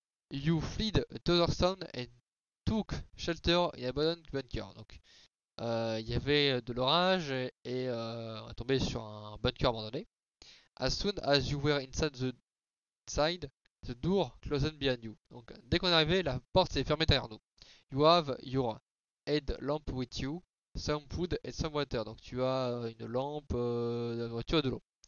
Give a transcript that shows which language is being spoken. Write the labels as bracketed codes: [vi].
[en] You fled Thunderstone and took shelter in abandoned bunker, donc... [fr] Il y avait de l'orage et on est tombé sur un bunker abandonné. [en] As soon as you were inside, the door closed behind you. [fr] Donc dès qu'on est arrivé, la porte s'est fermée derrière nous. [en] You have your headlamp with you, some food and some water. [fr] Donc tu as une lampe, de la nourriture et de l'eau.